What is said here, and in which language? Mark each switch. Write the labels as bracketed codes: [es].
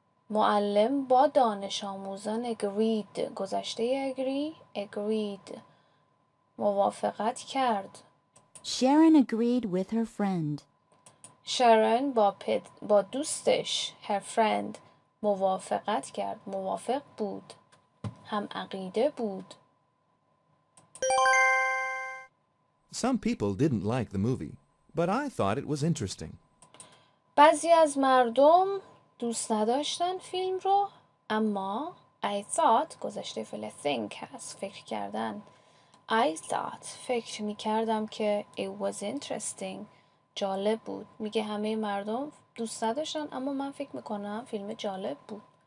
[fa] معلم با دانش آموزان agreed، گذشته agreed، موافقت کرد. [en] Sharon agreed with her friend. [fa] Sharon با دوستش، [en] her friend، [fa] موافقت کرد، موافق بود. هم عقیده بود. [en] Some people didn't like the movie, but I thought it was interesting. [fa] بعضی از مردم دوست نداشتن فیلم رو، اما [en] I thought [fa] گذشته فعل think هست، فکر کردن. [en] I thought [fa] فکر می کردم که [en] it was interesting، [fa] جالب بود. میگه همه مردم دوست نداشتن، اما من فکر میکنم فیلم جالب بود.